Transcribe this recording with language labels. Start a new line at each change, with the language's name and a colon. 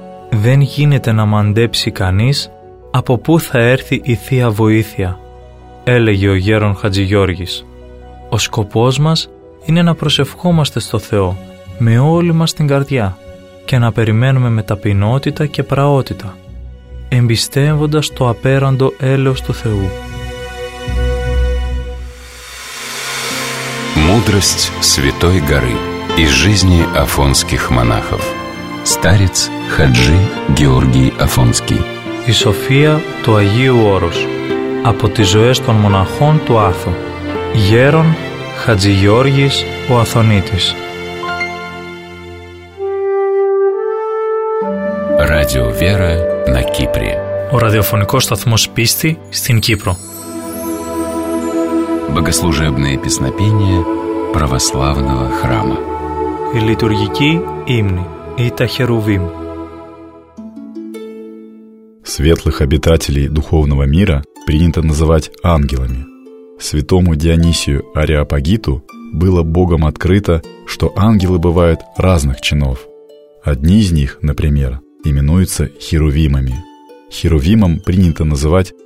Greek: Δεν γίνεται να μαντέψει κανείς από πού θα έρθει η Θεία Βοήθεια, έλεγε ο Γέρον Χατζηγιώργης. Ο σκοπός μας είναι να προσευχόμαστε στο Θεό με όλη μας την καρδιά και να περιμένουμε με ταπεινότητα και πραότητα, εμπιστεύοντας το απέραντο έλεος του Θεού.
Russian: Мудрость Святой Горы из жизни афонских монахов. Старец Хаджи Георгий Афонский.
Greek: Η σοφία του Αγίου Όρους από τις ζωές των μοναχών του Άθου. Γέρον Χατζηγιώργης ο Αθωνίτης.
Russian: Radio Vera na Kypri.
Greek: Ο ραδιοφωνικός σταθμός πίστη στην Κύπρο.
Russian: Богослужебные песнопения православного храма.
Greek: Η λειτουργική ύμνη ή τα χερουβίμ.
Russian: Светлых обитателей духовного мира принято называть ангелами. Святому Дионисию Ареопагиту было Богом открыто, что ангелы бывают разных чинов. Одни из них, например, именуются херувимами. Херувимом принято называть